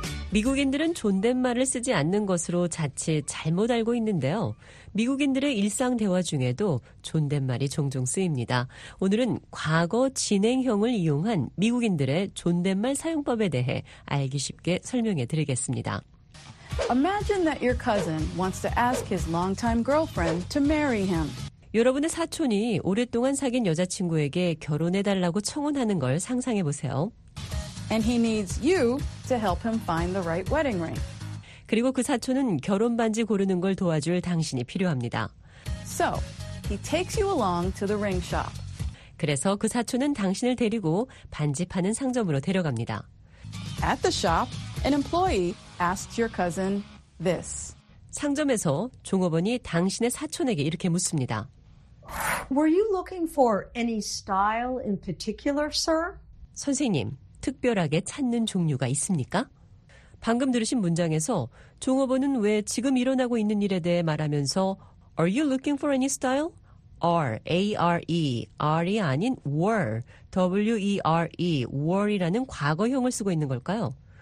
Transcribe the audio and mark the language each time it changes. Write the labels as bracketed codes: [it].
[ko] 미국인들은 존댓말을 쓰지 않는 것으로 자칫 잘못 알고 있는데요. 미국인들의 일상 대화 중에도 존댓말이 종종 쓰입니다. 오늘은 과거 진행형을 이용한 미국인들의 존댓말 사용법에 대해 알기 쉽게 설명해 드리겠습니다. [en] Imagine that your cousin wants to ask his longtime girlfriend to marry him. [ko] 여러분의 사촌이 오랫동안 사귄 여자친구에게 결혼해달라고 청혼하는 걸 상상해보세요. [en] And he needs you to help him find the right wedding ring. [ko] 그리고 그 사촌은 결혼 반지 고르는 걸 도와줄 당신이 필요합니다. [en] So, he takes you along to the ring shop. [ko] 그래서 그 사촌은 당신을 데리고 반지 파는 상점으로 데려갑니다. [en] At the shop, an employee asks your cousin this. [ko] 상점에서 종업원이 당신의 사촌에게 이렇게 묻습니다. [en] Were you looking for any style in particular, sir? [ko] 선생님, 특별하게 찾는 종류가 있습니까? 방금 들으신 문장에서 종업원은 왜 지금 일어나고 있는 일에 대해 말하면서 [en] Are you looking for any style? [ko] R-A-R-E, R이 아닌 were, W-E-R-E, were이라는 과거형을 쓰고 있는 걸까요?